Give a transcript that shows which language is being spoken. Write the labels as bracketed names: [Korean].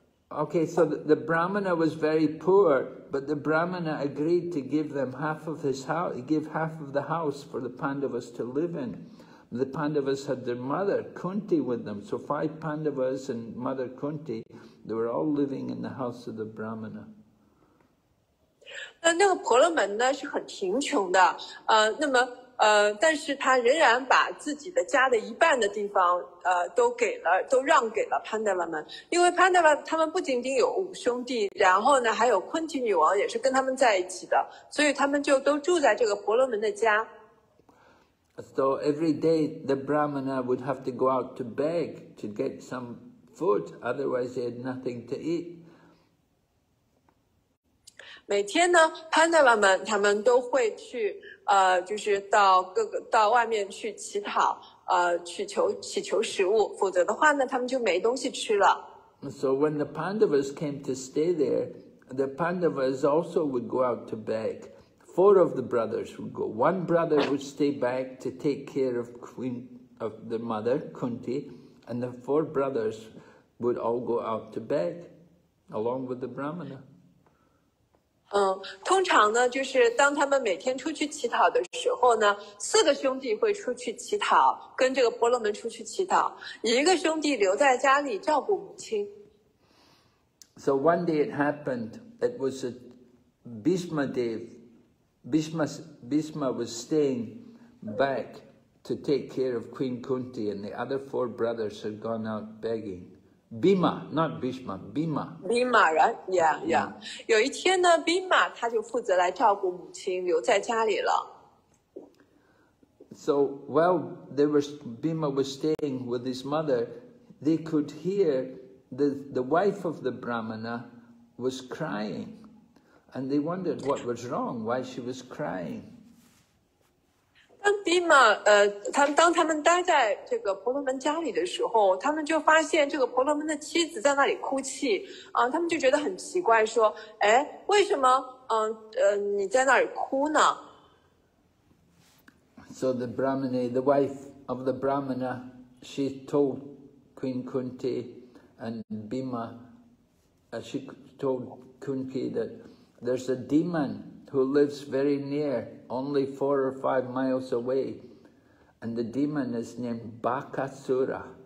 [English] Okay, so the Brahmana was very poor, but the Brahmana agreed to give them half of his house, give half of the house for the Pandavas to live in. The Pandavas had their mother, Kunti, with them. So five Pandavas and mother Kunti, they were all living in the house of the Brahmana. [Chinese] 那个婆罗门呢是很贫穷的，那么但是他仍然把自己的家的一半的地方，都给了，都让给了 Pandava 们，因为 Pandava 他们不仅仅有五兄弟，然后呢还有 Kunti 女王也是跟他们在一起的，所以他们就都住在这个婆罗门的家。 [English] So every day the Brahmana would have to go out to beg to get some food, otherwise he had nothing to eat. [Chinese] 每天呢 ,Pandava 们他们都会去就是到各个到外面去乞讨祈求食物，否则的话呢他们就没东西吃了。 [English] So when the Pandavas came to stay there, the Pandavas also would go out to beg. Four of the brothers would go. One brother would stay back to take care of queen of the mother, Kunti, and the four brothers would all go out to beg, along with the Brahmana. [Chinese] 通常呢，就是当他们每天出去乞讨的时候呢，四个兄弟会出去乞讨，跟这个婆罗门出去乞讨，一个兄弟留在家里照顾母亲。 [English] So one day it happened. It was a Bhishma Dev. Bhishma was staying back to take care of Queen Kunti, and the other four brothers had gone out begging. Bhima, not Bhishma, Bhima. Bhima, right? Yeah, yeah. [Chinese] 有一天呢 ，Bhima 他就负责来照顾母亲，留在家里了。 [English] So while they were, Bhima was staying with his mother, they could hear the wife of the Brahmana was crying. And they wondered what was wrong, why she was crying. [Chinese] 当 Bhima, 当他们待在这个婆罗门家里的时候，他们就发现这个婆罗门的妻子在那里哭泣。他们就觉得很奇怪，说，哎，为什么，你在那里哭呢？ [English] So the Brahmani, the wife of the Brahmana, she told Queen Kunti and Bhima, she told Kunti that. There's a demon who lives very near, only 4 or 5 miles away. And the demon is named Bakasura.